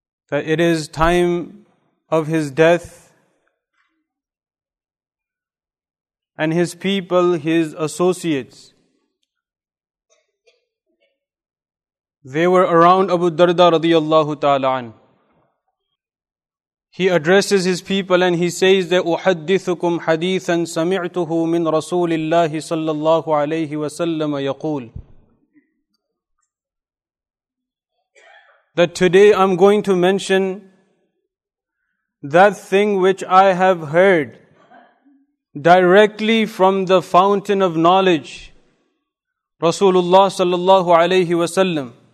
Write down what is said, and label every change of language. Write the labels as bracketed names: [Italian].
[English] That it is time of his death, and his people, his associates, they were around Abu Darda radiyallahu ta'ala an. He addresses his people and he says that [Arabic] أُحَدِّثُكُمْ حَدِيثًا سَمِعْتُهُ مِنْ رَسُولِ اللَّهِ صَلَّى اللَّهُ عَلَيْهِ وَسَلَّمَ يَقُولُ. [English] That today I'm going to mention that thing which I have heard directly from the fountain of knowledge, Rasulullah sallallahu alayhi wa sallam.